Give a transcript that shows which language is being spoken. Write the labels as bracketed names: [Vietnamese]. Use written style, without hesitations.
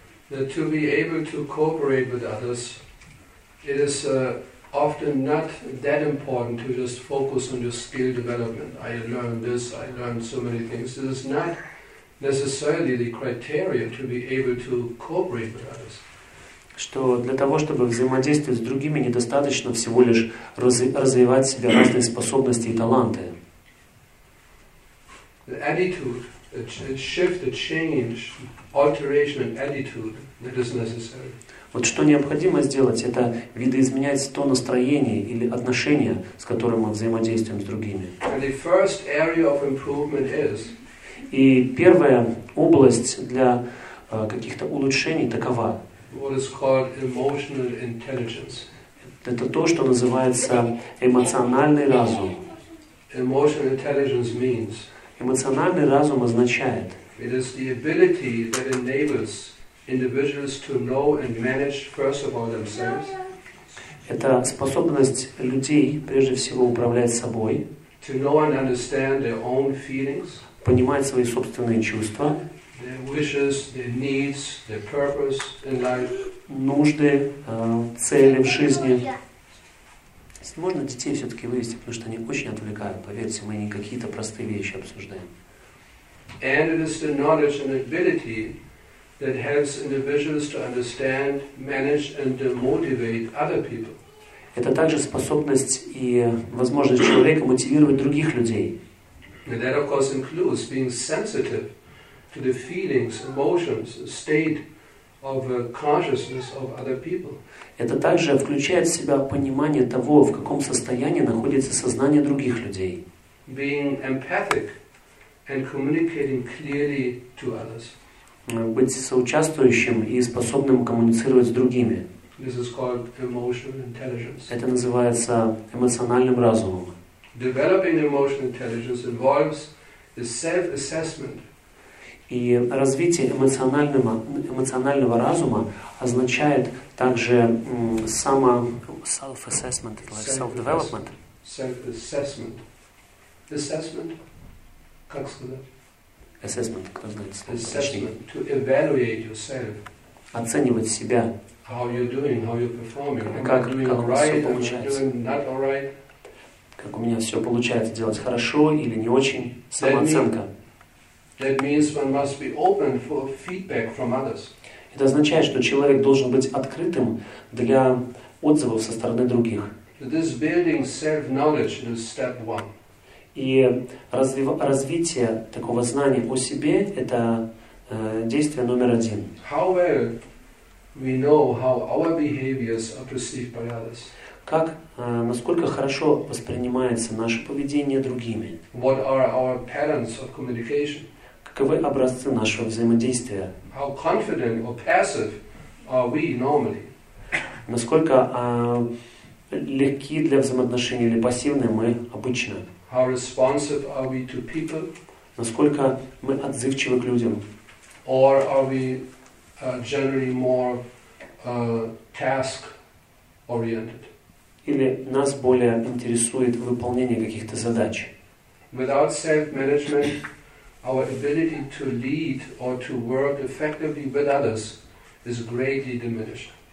[English] To be able to cooperate with others, it is often not that important to just focus on your skill development. I learned this, I learned so many things. It is not necessarily the criteria to be able to cooperate with others. [Russian] Что для того, чтобы взаимодействовать с другими, недостаточно всего лишь развивать в себе разные способности и таланты. [English] The attitude, a shift, a change, alteration in attitude that is necessary. [Russian] Вот что необходимо сделать, это видоизменять то настроение или отношение, с которым мы взаимодействуем с другими. [English] And the first area of improvement is. [Russian] И первая область для каких-то улучшений такова. [English] What is called emotional intelligence. [Russian] Это то, что называется эмоциональный разум. [English] Emotional intelligence means. [Russian] Эмоциональный разум означает. [English] It is the ability that enables individuals to know and manage first of all themselves. [Russian] Это способность людей прежде всего управлять собой. [English] To know and understand their own feelings. [Russian] Понимать свои собственные чувства. [English] Their wishes, their needs, their purpose in life. [Russian] Нужды, цели в жизни. Если можно детей все-таки вывести, потому что они очень отвлекают. Поверьте, мы не какие-то простые вещи обсуждаем. [English] And it is the knowledge and ability that helps individuals to understand, manage and motivate other people. [Russian] Это также способность и возможность человека мотивировать других людей. [English] And that of course includes being sensitive to the feelings, emotions, state of consciousness of other people. [Russian] Это также включает в себя понимание того, в каком состоянии находится сознание других людей. [English] Being empathic and communicating clearly to others. [Russian] Быть соучаствующим и способным коммуницировать с другими. [English] This is called emotional intelligence. [Russian] Это называется эмоциональным разумом. [English] Developing emotional intelligence involves the self-assessment. [Russian] И развитие эмоционального разума означает также [English] self-assessment, like self-development. Self-assessment. Assessment? [Russian] Как сказать? Assessment, кто знает слово. [English] Assessment, to evaluate yourself. [Russian] Оценивать себя. [English] How you're doing, how you're performing. [Russian] Как у меня [English] right, [Russian] все получается. [English] Am I doing not all right? [Russian] Как у меня все получается делать хорошо или не очень. Самооценка. [English] That means one must be open for feedback from others. [Russian] Это означает, что человек должен быть открытым для отзывов со стороны других. [English] This building self-knowledge is step one. [Russian] И развитие такого знания о себе – это действие номер один. [English] How well we know how our behaviors are perceived by others. [Russian] Как, насколько хорошо воспринимается наше поведение другими? [English] What are our patterns of communication? [Russian] Каковы образцы нашего взаимодействия? [English] How confident or passive are we normally? [Russian] Насколько легки для взаимоотношений или пассивны мы обычно? [English] How responsive are we to people? [Russian] Насколько мы отзывчивы к людям? [English] Or are we generally more task oriented? [Russian] Или нас более интересует выполнение каких-то задач? [English] Without self-management, our ability to lead or to work effectively with others is greatly diminished.